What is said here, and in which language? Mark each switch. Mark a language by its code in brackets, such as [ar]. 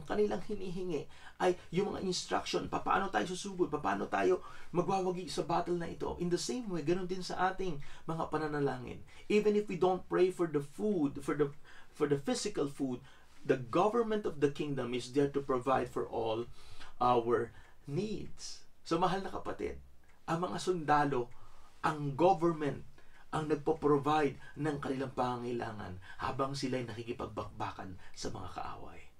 [tl] Ang kanilang hinihingi ay yung mga instruction, paano tayo susugod, paano tayo magwawagi sa battle na ito. [en] In the same way, [tl] ganun din sa ating mga pananalangin. [en] Even if we don't pray for the food, for the physical food, the government of the kingdom is there to provide for all our needs. [tl] So, mahal na kapatid, ang mga sundalo, ang government, ang nagpo-provide ng kanilang pangangailangan habang sila'y nakikipagbakbakan sa mga kaaway.